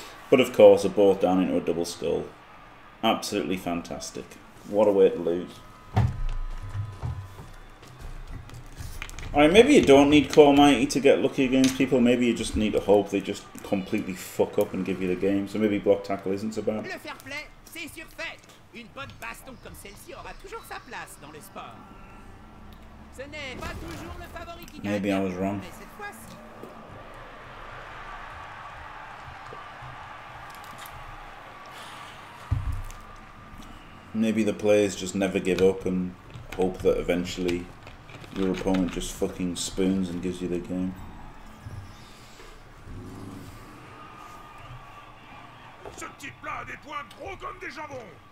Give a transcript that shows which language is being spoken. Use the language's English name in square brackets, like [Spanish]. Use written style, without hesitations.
[English] But of course, they're both down into a double skull. Absolutely fantastic. What a way to lose. Alright, maybe you don't need Claw Mighty to get lucky against people. Maybe you just need to hope they just completely fuck up and give you the game. So maybe block tackle isn't so bad. [French] Le fair play, c'est surfait. Une bonne baston comme celle-ci aura toujours sa place dans le sport. Ce n'est pas toujours le favori qui gagne. [English] Maybe I was wrong. Maybe the players just never give up and hope that eventually your opponent just fucking spoons and gives you the game. [French] Ce type là a des points gros comme des jambons.